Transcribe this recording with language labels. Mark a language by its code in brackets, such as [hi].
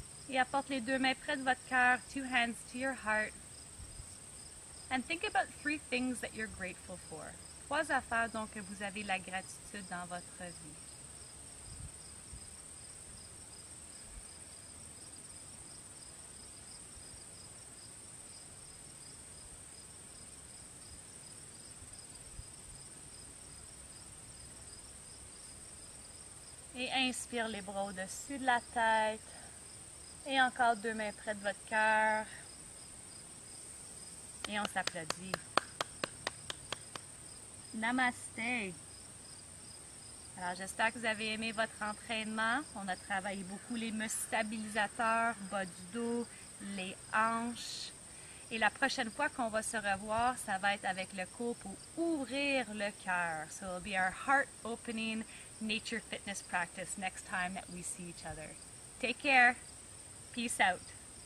[fr] Et apporte les deux mains près de votre cœur, [en] two hands to your heart. And think about three things that you're grateful for. [fr] Trois affaires dont que vous avez la gratitude dans votre vie. Et inspire les bras au-dessus de la tête. Et encore deux mains près de votre cœur. Et on s'applaudit. Namasté! Alors, j'espère que vous avez aimé votre entraînement. On a travaillé beaucoup les muscles stabilisateurs, bas du dos, les hanches. Et la prochaine fois qu'on va se revoir, ça va être avec le cours pour ouvrir le cœur. [en] So, it'll be our heart-opening nature fitness practice next time that we see each other. Take care! Peace out.